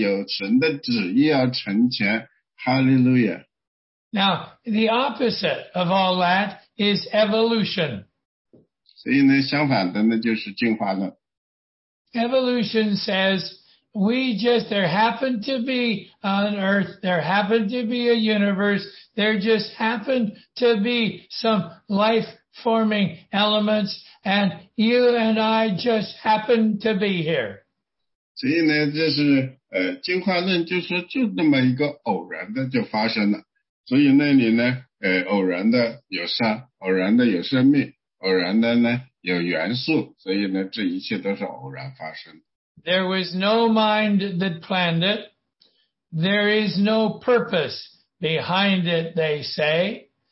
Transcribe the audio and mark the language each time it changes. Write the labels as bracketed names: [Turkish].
[Chinese] 所以神把你派到这里来，把你们派到这里，把我派到这里来。所以神把我们都放在一个神的大家庭里，在我们身上有神的旨意要成全。 [English] Hallelujah. Now, the opposite of all that is evolution. [Chinese] 所以呢，相反的呢，就是进化论。 [English] Evolution says we just there happened to be on Earth, there happened to be a universe, there just happened to be some life-forming elements, and you and I just happened to be here. [Chinese] 所以呢，就是进化论就是就那么一个偶然的就发生了。所以那里呢，偶然的有山，偶然的有生命。偶然的呢，有元素，所以呢，这一切都是偶然发生的。 [English] There was no mind that planned it. There is no purpose behind it, they say.